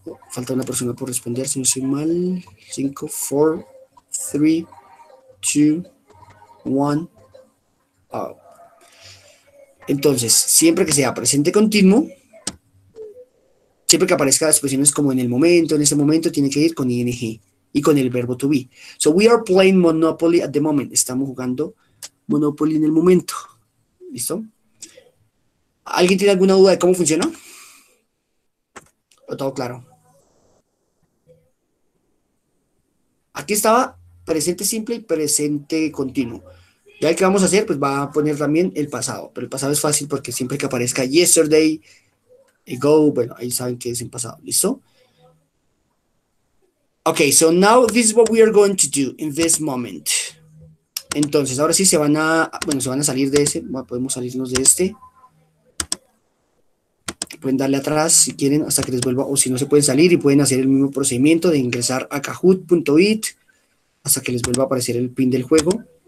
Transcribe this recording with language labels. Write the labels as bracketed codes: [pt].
[es] Falta una persona por responder, si no estoy mal. 5, 4, 3, 2, 1. Entonces, siempre que sea presente continuo, siempre que aparezca expresiones como en el momento, en ese momento, tiene que ir con ing y con el verbo to be. [en] So, we are playing Monopoly at the moment. [es] Estamos jugando Monopoly en el momento. ¿Listo? ¿Alguien tiene alguna duda de cómo funciona? ¿O todo claro? Aquí estaba presente simple y presente continuo. Ya que vamos a hacer, pues va a poner también el pasado. Pero el pasado es fácil porque siempre que aparezca yesterday, y go, bueno, ahí saben que es en pasado, ¿listo? [en] Ok, so now this is what we are going to do in this moment. [es] Entonces, ahora sí se van a, bueno, se van a salir de ese, podemos salirnos de este. Pueden darle atrás si quieren hasta que les vuelva, o si no se pueden salir y pueden hacer el mismo procedimiento de ingresar a Kahoot.it hasta que les vuelva a aparecer el pin del juego.